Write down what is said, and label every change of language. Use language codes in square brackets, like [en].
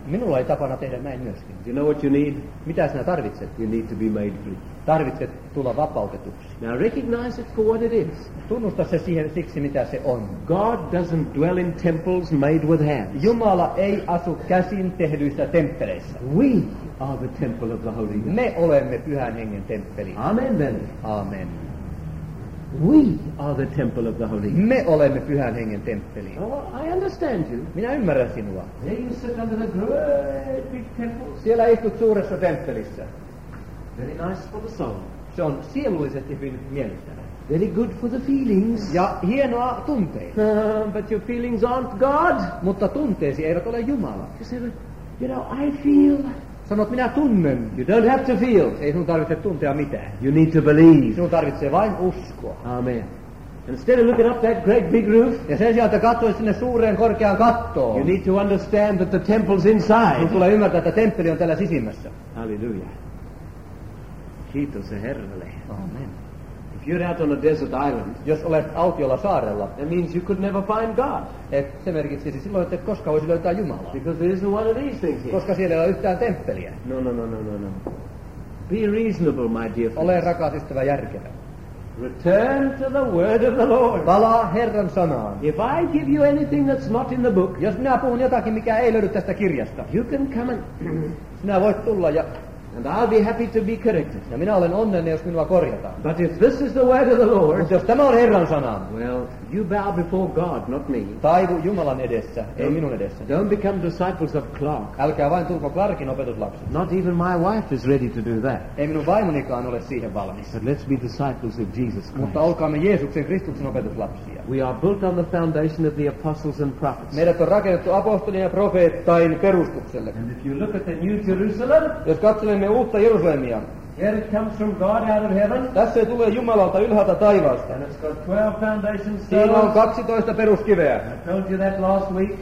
[fi] Minulla ei tapana tehdä näin myöskin. [en] You know what you need? [fi] Mitä sinä tarvitset? [en] You need to be made free. [fi] Tarvitset tulla vapautetuksi. [en] Now recognize it for what it is. [fi] Tunnusta se siihen siksi, mitä se on. [en] God doesn't dwell in temples made with hands. [fi] Jumala ei asu käsin tehdyissä temppeleissä. [en] We are the temple of the Holy Ghost. [fi] Me olemme Pyhän Hengen temppeli. [en] Amen, then. Amen. We are the temple of the Holy Ghost. [fi] Me olemme Pyhän Hengen temppeli. [en] Oh, I understand you. [fi] Minä ymmärrän sinua. [en] There you sit under the great big temples. [fi] Siellä istut suuressa temppelissä. [en] Very nice for the soul. [fi] Se on sieluisesti hyvin miellyttävä. [en] Very good for the feelings. [fi] Ja hienoa tunteet. [en] But your feelings aren't God. [fi] Mutta tunteesi eivät ole Jumala. [en] You say, but, you know, I feel. [fi] Sanot, minä tunnen. [en] You don't have to feel. [fi] Ei sinun tarvitse tuntea mitään. [en] You need to believe. [fi] Sinun tarvitsee vain uskoa. Amen. [en] Instead of looking up that great big roof, [fi] ja sen sijaan, että katsoit sinne suureen korkeaan kattoon, [en] you need to understand that the temple's inside. [fi] Sinun tulee ymmärtää, että temppeli on täällä sisimmässä. Hallelujah. Kiitos Herralle. Amen. [en] If you're out on a desert island, [fi] jos olet autiolla saarella, [en] it means you could never find God. [fi] Et se merkitsisi silloin, että koska voisi löytää Jumalaa. [en] Because there isn't one of these things here. [fi] Koska siellä ei ole yhtään temppeliä. [en] No. Be reasonable, my dear friend. [fi] Ole rakas ystävä järkevä. [en] Return to the word of the Lord. [fi] Palaa Herran sanaan. [en] If I give you anything that's not in the book, [fi] jos minä puhun jotakin, mikä ei löydy tästä kirjasta, [en] you can come and [fi] sinä voit tulla ja [en] and I'll be happy to be corrected. [fi] Ja minä olen onnellinen, jos minua korjataan. [en] But if this is the word of the Lord, [fi] mutta jos tämä on Herran sana, [en] well, you bow before God, not me. [fi] Taivu Jumalan edessä, ei minun edessä. [en] Don't become disciples of Clark. [fi] Älkää vain tulko Clarkin opetuslapsi. [en] Not even my wife is ready to do that. [fi] Ei minun vaimonikaan ole siihen valmis. [en] But let's be disciples of Jesus Christ. [fi] Mutta olkaamme Jeesuksen Kristuksen opetuslapsia. [en] We are built on the foundation of the apostles and prophets. [fi] Meidät on rakennettu apostolien ja profeettain perustukselle. [en] And if you look at the New Jerusalem, [fi] jos katselemme uutta Jerusalemia, [en] here it comes from God out of heaven. [fi] Tässä tulee Jumalalta ylhäältä taivaasta. [en] And it's got 12 foundation stones. [fi] Siinä on 12 peruskiveä. [en] I told you that last week.